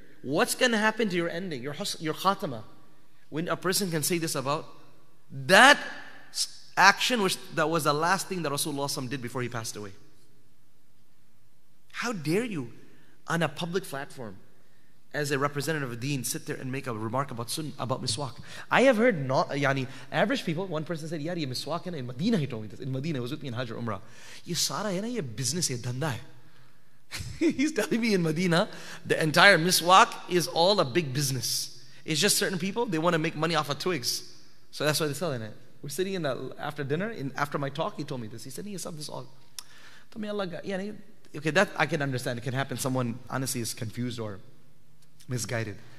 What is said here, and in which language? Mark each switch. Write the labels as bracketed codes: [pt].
[en] What's going to happen to your ending, your khatama, when a person can say this about that action, which that was the last thing that Rasulullah did before he passed away? How dare you, on a public platform, as a representative of deen, sit there and make a remark about sunnah, about miswak? I have heard average people. One person said, [ur] yaar, ye miswak hai na, [en] in Medina he told me this. In Medina, he was with me in Hajj or Umrah. [ur] یہ سارا ہے نا، یہ business ہے، دھندا ہے۔ [en] He's telling me in Medina, the entire miswak is all a big business. It's just certain people, they want to make money off of twigs. So that's why they're selling it. We're sitting in after dinner, after my talk, he told me this. He said, [ur] ye sab [en] this all. Tell me Allah, okay, that I can understand. It can happen. Someone honestly is confused or misguided.